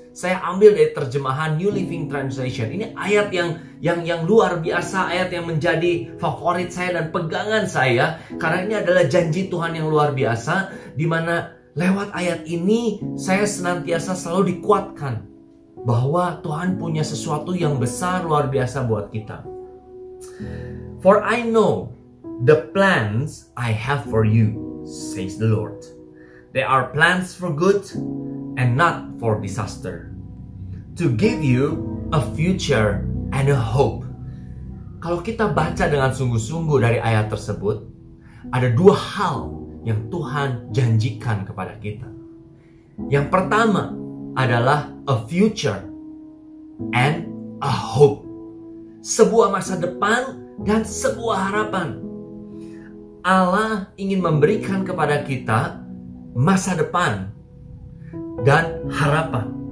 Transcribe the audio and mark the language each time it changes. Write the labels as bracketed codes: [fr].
[id] Saya ambil dari terjemahan New Living Translation. Ini ayat yang luar biasa, ayat yang menjadi favorit saya dan pegangan saya, karena ini adalah janji Tuhan yang luar biasa, di mana lewat ayat ini saya senantiasa selalu dikuatkan bahwa Tuhan punya sesuatu yang besar, luar biasa buat kita. [en] For I know the plans I have for you, says the Lord. They are plans for good and not for disaster. To give you a future and a hope. [id] Kalau kita baca dengan sungguh-sungguh dari ayat tersebut, ada dua hal yang Tuhan janjikan kepada kita. Yang pertama adalah [en] a future and a hope. [id] Sebuah masa depan dan sebuah harapan. Allah ingin memberikan kepada kita masa depan dan harapan.